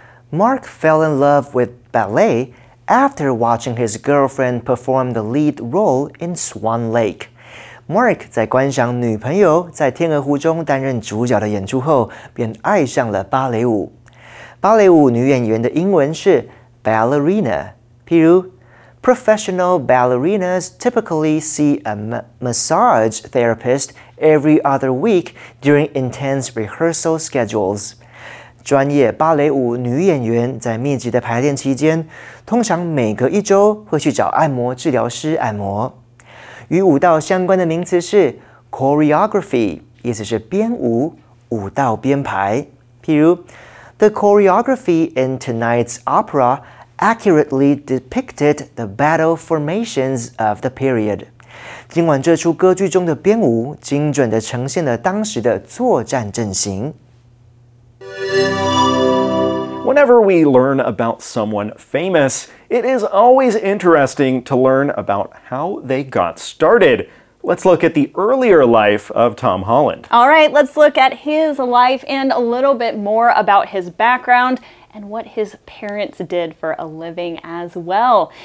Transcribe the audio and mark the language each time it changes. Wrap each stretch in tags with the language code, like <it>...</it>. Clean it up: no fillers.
<en>Mark fell in love with ballet after watching his girlfriend perform the lead role in Swan Lake.</en> <zh>Mark 在观赏女朋友在天鹅湖中担任主角的演出后便爱上了芭蕾舞。芭蕾舞女演员的英文是</zh> <en>ballerina,</en> <zh>譬如</zh> <en>professional ballerinas typically see a massage therapist every other week during intense rehearsal schedules.</en> <zh>专业芭蕾舞女演员在密集的排练期间，通常每隔一周会去找按摩治疗师按摩。与舞蹈相关的名词是 choreography， 意思是编舞、舞蹈编排。譬如</zh> <en>，The choreography in tonight's opera accurately depicted the battle formations of the period。</en> <zh>今晚这出歌剧中的编舞精准地呈现了当时的作战阵型。</zh> <en>Whenever we learn about someone famous, it is always interesting to learn about how they got started. Let's look at the earlier life of Tom Holland. All right, let's look at his life and a little bit more about his background and what his parents did for a living as well.</en>